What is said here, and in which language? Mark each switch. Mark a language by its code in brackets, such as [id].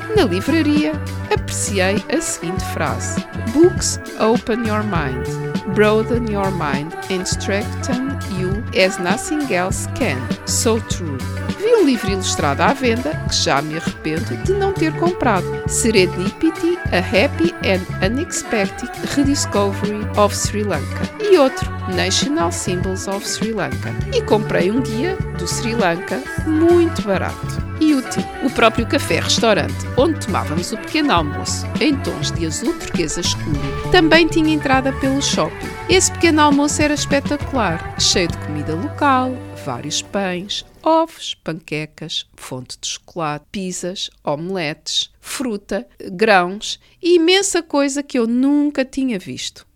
[pt] Na livraria, apreciei a seguinte frase: [en] Books open your mind, broaden your mind and strengthen you as nothing else can. So true. [pt] Vi um livro ilustrado à venda que já me arrependo de não ter comprado. [en] Serendipity, A Happy and Unexpected Rediscovery of Sri Lanka. [pt] E outro, National Symbols of Sri Lanka. E comprei um guia do Sri Lanka muito barato. E útil. O próprio café-restaurante, onde tomávamos o pequeno almoço, em tons de azul turquesa escuro, também tinha entrada pelo shopping. Esse pequeno almoço era espetacular, cheio de comida local, vários pães, ovos, panquecas, fonte de chocolate, pizzas, omeletes, fruta, grãos e imensa coisa que eu nunca tinha visto.